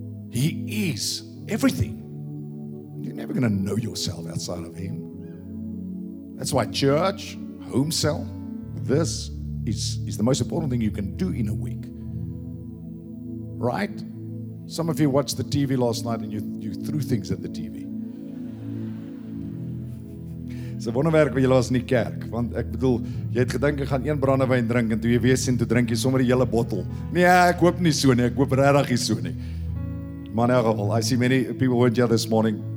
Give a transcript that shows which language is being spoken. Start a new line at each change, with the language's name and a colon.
English: He is everything. You're never going to know yourself outside of Him. That's why church, home cell, this is the most important thing you can do in a week. Right? Some of you watched the TV last night and you threw things at the TV.
Afrikaans: Se wonderwerk wat jy laas in die kerk, want ek bedoel, jy het gedink ek gaan een brandewyn drink en toe jy weer sien toe drink jy sommer die hele bottel. Nee, ek hoop nie so nie, ek hoop regtig nie so nie. Maar in elk geval,
English: I see many people weren't here this morning.